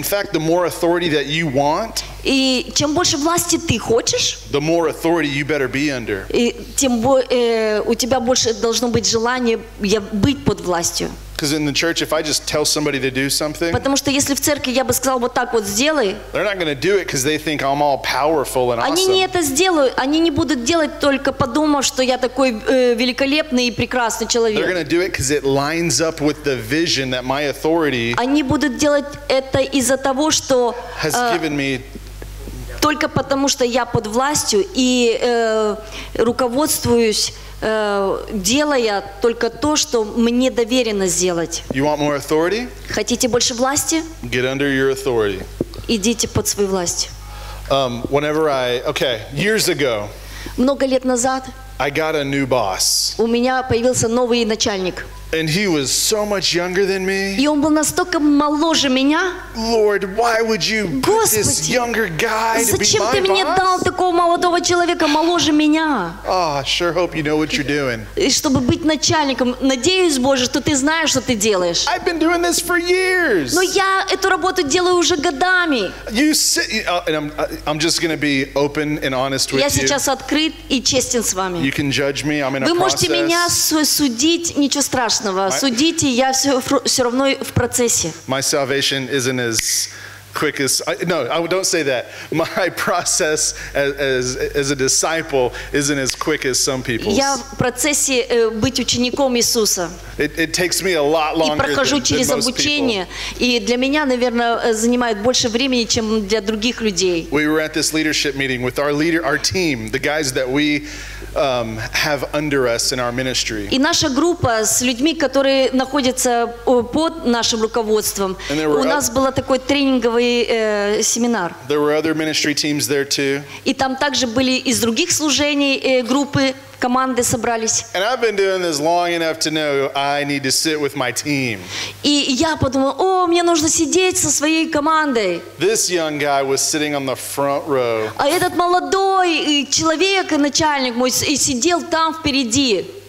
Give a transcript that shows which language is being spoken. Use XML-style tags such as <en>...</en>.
<en>In fact, the more authority that you want.</en> <ru>И чем больше власти ты хочешь.</ru> <en>The more authority you better be under.</en> <ru>И тем у тебя больше должно быть желание быть под властью.</ru> <en>Because in the church, if I just tell somebody to do something,</en> <ru>потому что если в церкви я бы сказал вот так вот сделай,</ru> <en>they're not going to do it because they think I'm all powerful and awesome.</en> <ru>Они не это сделают, они не будут делать только подумав, что я такой великолепный и прекрасный человек.</ru> <en>They're going to do it because it lines up with the vision that my authority.</en> <ru>Они будут делать это из-за того, что</ru> <en>has given me.</en> <ru>Только потому что я под властью и руководствуюсь. Делая только то, что мне доверено сделать. Хотите больше власти?</ru> <en>Get under your authority.</en> <ru>Идите под свою власть.</ru> <en>Whenever I, okay, years ago,</en> <ru>много лет назад,</ru> <en>I got a new boss.</en> <ru>У меня появился новый начальник.</ru> <en>And he was so much younger than me.</en> <ru>И он был настолько моложе меня.</ru> <en>Lord, why would you put this younger guy to be my boss?</en> <ru>Зачем ты мне дал такого молодого человека моложе меня?</ru> <en>Oh, I sure hope you know what you're doing.</en> <ru>И чтобы быть начальником, надеюсь, Боже, что ты знаешь, что ты делаешь.</ru> <en>I've been doing this for years.</en> <ru>Но я эту работу делаю уже годами.</ru> <en>You sit, and I'm just going to be open and honest with you.</en> <ru>Я сейчас открыт и честен с вами.</ru> <en>You can judge me. I'm in a process.</en> <ru>Вы можете меня судить, ничего страшного. Судите, я все равно в процессе.</ru> <en>My salvation isn't as quick as don't say that. My process as a disciple isn't as quick as some people's.</en> <ru>Я в процессе быть учеником Иисуса.</ru> <en>It takes me a lot longer.</en> <ru>И прохожу через обучение, и для меня, наверное, занимает больше времени, чем для других людей.</ru> <en>We were at this leadership meeting with our leader, our team, the guys that we have under us in our ministry.</en> <ru>И наша группа с людьми, которые находятся под нашим руководством. У нас был такой тренинговый семинар.</ru> <en>There were other ministry teams there too.</en> <ru>И там также были из других служений группы, команды собрались.</ru> <en>And I've been doing this long enough to know I need to sit with my team.</en> <ru>И я подумал, о, мне нужно сидеть со своей командой.</ru> <en>This young guy was sitting on the front row.</en> <ru>А этот молодой человек, начальник мой, и сидел там впереди.</ru>